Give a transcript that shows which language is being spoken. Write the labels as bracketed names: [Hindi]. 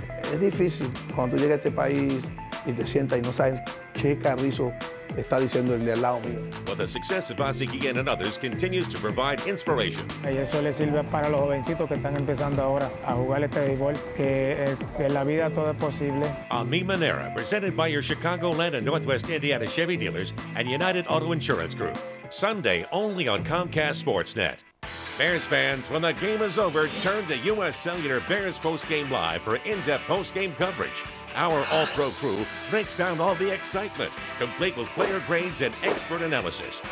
[Spanish] Es difícil cuando llega a este país y te sientas y no sabes qué carrizo. [English] But the success of Ozzie Guillen and others continues to provide inspiration. [Spanish] Eso le sirve para los jovencitos que están empezando ahora a jugar este béisbol, que en la vida todo es posible. [English] Ami Manera, presented by your Chicagoland and Northwest Indiana Chevy dealers and United Auto Insurance Group. Sunday only on Comcast Sportsnet. Bears fans, when the game is over, turn to U.S. Cellular Bears Postgame Live for in-depth postgame coverage. our All-Pro crew breaks down all the excitement, complete with player grades and expert analysis.